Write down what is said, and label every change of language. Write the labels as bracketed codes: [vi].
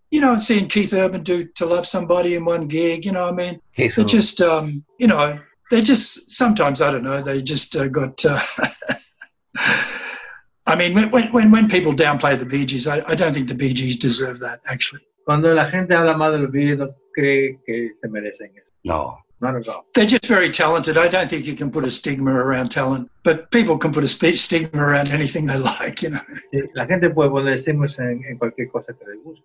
[en] You know, and seeing Keith Urban do To Love Somebody in one gig, you know what I mean? They're just, you know, they just, sometimes, I don't know, they just got, I mean, when people downplay the Bee Gees, I don't think the Bee Gees deserve that, actually. [es] Cuando la gente habla mal de los Bee Gees, no cree que se merecen eso. [en] No. Not at all. They're just very talented. I don't think you can put a stigma around talent, but people can put a stigma around anything they like, you know. [es] La gente puede poner stigmas en cualquier cosa que les guste.